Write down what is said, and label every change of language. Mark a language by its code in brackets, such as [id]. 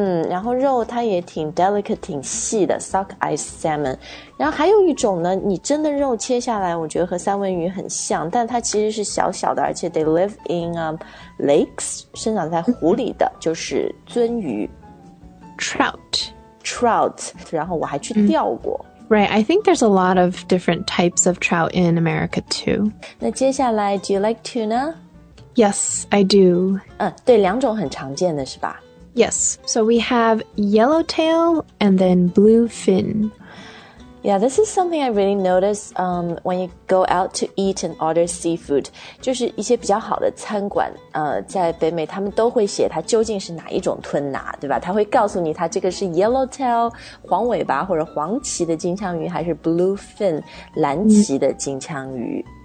[zh] 然后肉它也挺 delicate 挺细的 sockeye salmon 然后还有一种呢你真的肉切下来我觉得和三文鱼很像但它其实是小小的而且 [en] they live in lakes [zh] 生长在湖里的就是鳟鱼 [en] Trout [zh] 然后我还去钓过、 [en] 嗯、Right, I think there's a lot of different types of trout in America too [zh] 那接下来 [en] do you like tuna? Yes, I do、 [zh] 对两种很常见的是吧 [en] Yes, so we have yellowtail and then bluefin Yeah, this is something I really notice、when you go out to eat and order seafood [zh] 就是一些比较好的餐馆、在北美他们都会写它究竟是哪一种吞拿对吧他会告诉你它这个是 yellowtail 黄尾巴或者黄鳍的金枪鱼还是 bluefin 蓝鳍的金枪鱼